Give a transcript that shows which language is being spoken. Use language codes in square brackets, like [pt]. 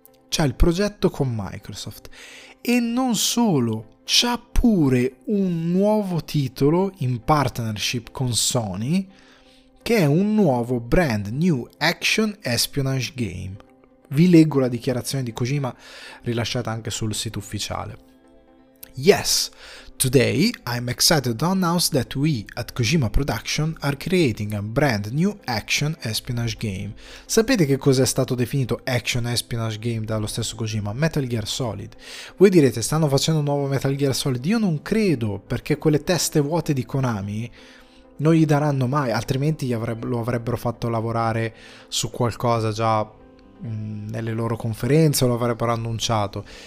[it] C'è il progetto con Microsoft. E non solo, c'ha pure un nuovo titolo in partnership con Sony, che è un nuovo [en] brand new action espionage game. [it] Vi leggo la dichiarazione di Kojima rilasciata anche sul sito ufficiale. [en] Yes, today I'm excited to announce that we at Kojima Production are creating a brand new action espionage game. [it] Sapete che cos'è stato definito action espionage game dallo stesso Kojima? Metal Gear Solid. Voi direte, stanno facendo un nuovo Metal Gear Solid? Io non credo, perché quelle teste vuote di Konami non gli daranno mai, altrimenti lo avrebbero fatto lavorare su qualcosa già nelle loro conferenze, lo avrebbero annunciato.